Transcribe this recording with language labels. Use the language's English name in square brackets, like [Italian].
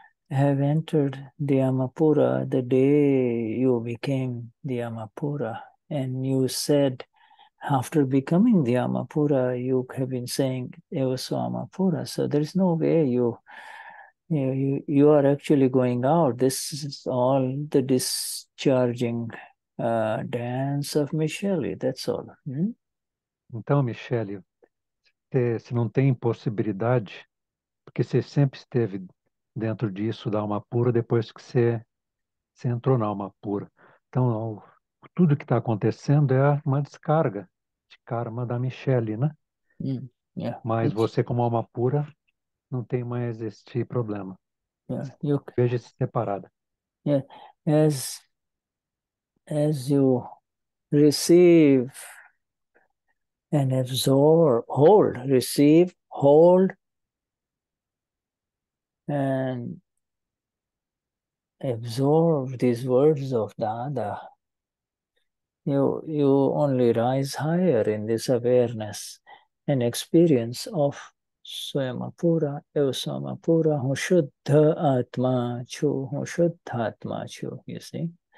[English] Have entered the Amapura the day you became the Amapura, and you said, after becoming the Amapura, you have been saying Evaso Amapura. So there is no way you are actually going out. This is all the discharging dance of Michele. That's all. [Portuguese] Então, Michele, se não tem possibilidade, porque você sempre esteve dentro disso da alma pura, depois que você entrou na alma pura. Então, tudo que está acontecendo é uma descarga de karma da Michele, né? Mas você, como alma pura, não tem mais este problema. Veja-se separada. [English] As you receive and absorb, hold, receive, hold, and absorb these words of Dada, you only rise higher in this awareness and experience of Swayamapura, Evasamapura, [Gujarati] Hushuddhatma Chu, Hushuddhatma Chu, [English] you see?